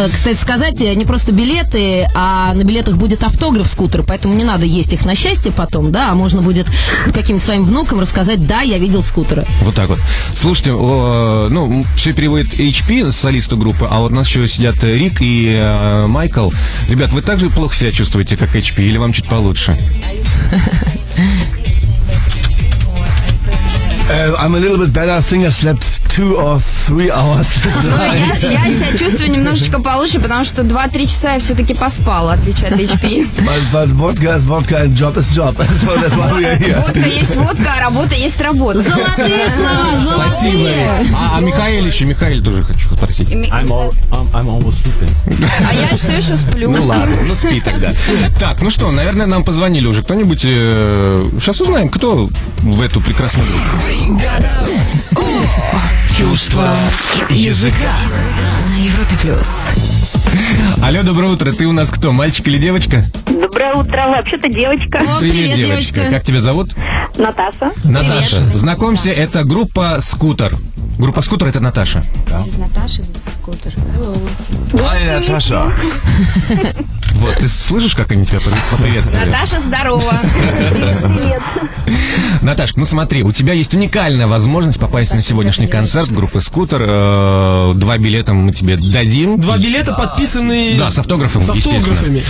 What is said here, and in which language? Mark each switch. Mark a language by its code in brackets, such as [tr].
[ru] Кстати, сказать, не просто билеты, а на билетах будет автограф скутера, поэтому не надо есть их на счастье потом, да, а можно будет каким-то своим внукам рассказать, да, я видел скутера. Вот так вот. Слушайте, все переводит HP, солисту группы, а вот у нас еще сидят Рик и Майкл. Ребят, вы так же плохо себя чувствуете, как HP, или вам чуть получше? [en] I'm a little bit better. I think I slept two or three hours. [ru] Я себя чувствую немножечко получше, потому что 2-3 часа я все-таки поспала, в отличие от HP. [en] But водка is водка, and job is job. [ru] Водка есть водка, а работа есть работа. Золотые слова, золотые. А Михаил еще, Михаил тоже хочу спросить. [en] I'm almost sleeping. [ru] А я все еще сплю. Ну ладно, ну спи тогда. Так, ну что, наверное, нам позвонили уже кто-нибудь. Сейчас узнаем, кто в эту прекрасную группу. Чувство языка. На Европе плюс. Алло, доброе утро. Ты у нас кто, мальчик или девочка? Доброе утро. Вообще-то девочка. О, привет, привет, девочка. Как тебя зовут? Наташа. Наташа. Привет. Знакомься, это группа «Скутер». Группа «Скутер» — это Наташа. Да. [en] this is Scooter. Hello. Hi, Наташа. [ru] Вот, ты слышишь, как они тебя поприветствовали? Наташа, здорово. Привет. Наташ, ну смотри, у тебя есть уникальная возможность попасть на сегодняшний концерт группы «Скутер». Два билета мы тебе дадим. Два билета, подписанные... Да, с автографом, естественно.